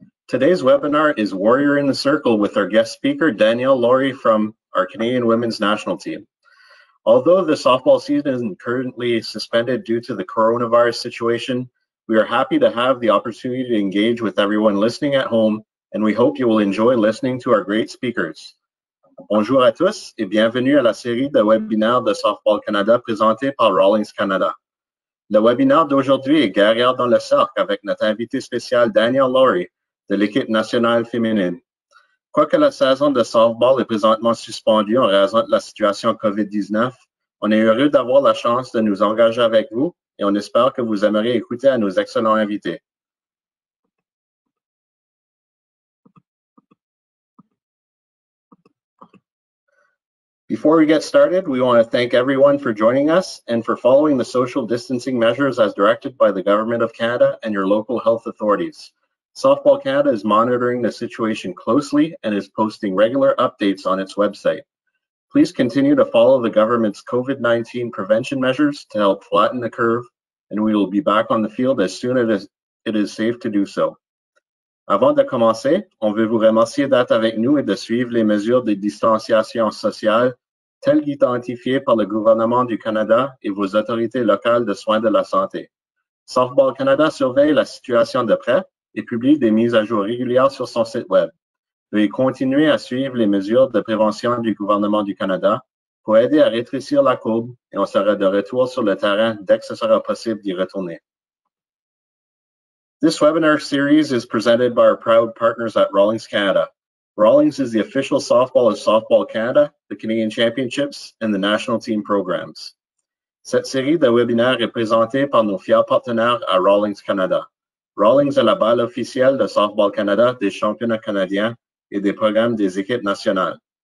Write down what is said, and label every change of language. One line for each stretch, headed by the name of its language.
English: Today's webinar is Warrior in the Circle with our guest speaker, Danielle Lawrie from our Canadian Women's National Team. Although the softball season is currently suspended due to the coronavirus situation, we are happy to have the opportunity to engage with everyone listening at home, and we hope you will enjoy listening to our great speakers.
French: Bonjour à tous et bienvenue à la série de webinaires de Softball Canada présentée par Rawlings Canada. Le webinaire d'aujourd'hui est Guerrière dans le cercle avec notre invité spécial Danielle Lawrie de l'équipe nationale féminine. Quoique la saison de softball est présentement suspendue en raison de la situation COVID-19, on est heureux d'avoir la chance de nous engager avec vous et on espère que vous aimerez écouter à nos excellents invités.
English: Before we get started, we want to thank everyone for joining us and for following the social distancing measures as directed by the Government of Canada and your local health authorities. Softball Canada is monitoring the situation closely and is posting regular updates on its website. Please continue to follow the government's COVID-19 prevention measures to help flatten the curve, and we will be back on the field as soon as it is safe to do so.
French: Avant de commencer, on veut vous remercier d'être avec nous et de suivre les mesures de distanciation sociale telles qu'identifiées par le gouvernement du Canada et vos autorités locales de soins de la santé. Softball Canada surveille la situation de près et publie des mises à jour régulières sur son site Web. Veuillez continuer à suivre les mesures de prévention du gouvernement du Canada pour aider à rétrécir la courbe et on sera de retour sur le terrain dès que ce sera possible d'y retourner.
English: This webinar series is presented by our proud partners at Rawlings Canada. Rawlings is the official softball of Softball Canada, the Canadian Championships, and the National Team Programs.
French: Cette série de webinaires est présentée par nos fiers partenaires à Rawlings Canada. Rawlings est la balle officielle de Softball Canada, des championnats canadiens et des programmes des équipes nationales.